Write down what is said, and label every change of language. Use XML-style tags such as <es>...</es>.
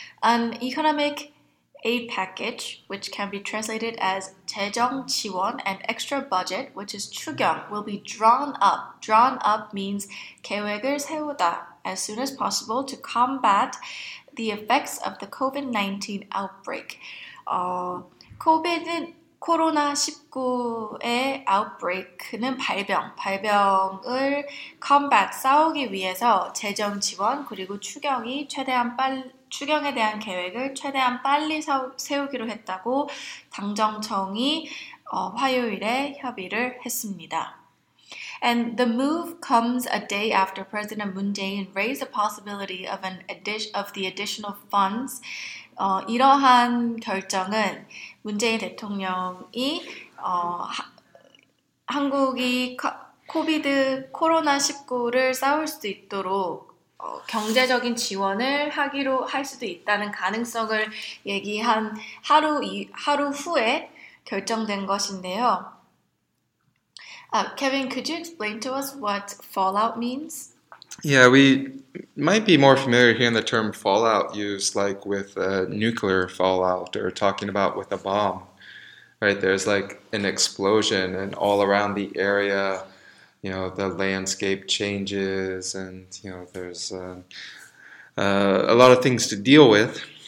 <en>An economic aid package, which can be translated as</en> <ko>재정 지원,</ko> <en>and extra budget, which is 추경, will be drawn up. Drawn up means</en> <ko>계획을 세우다,</ko> <en>as soon as possible to combat the effects of the COVID-19 outbreak. COVID</en> <ko>코로나19의 outbreak는 발병을 combat, 싸우기 위해서 재정 지원 그리고 추경이 최대한 빨리 추경에 대한 계획을 최대한 빨리 세우기로 했다고 당정청이 화요일에 협의를 했습니다.</ko> <en>And the move comes a day after President Moon Jae-in raised the possibility of an additional funds.</en> <ko>이러한 결정은 문재인 대통령이 한국이 코비드 코로나19를 싸울 수 있도록 경제적인 지원을 하기로 할 수도 있다는 가능성을 얘기한 하루 후에 결정된 것인데요.</ko> <en>Kevin, could you explain to us what fallout means? Yeah, we might be more familiar hearing the term fallout used like with a nuclear fallout or talking about with a bomb, right? There's like an explosion and all around the area, you know, the landscape changes and, you know, there's a lot of things to deal with.</en>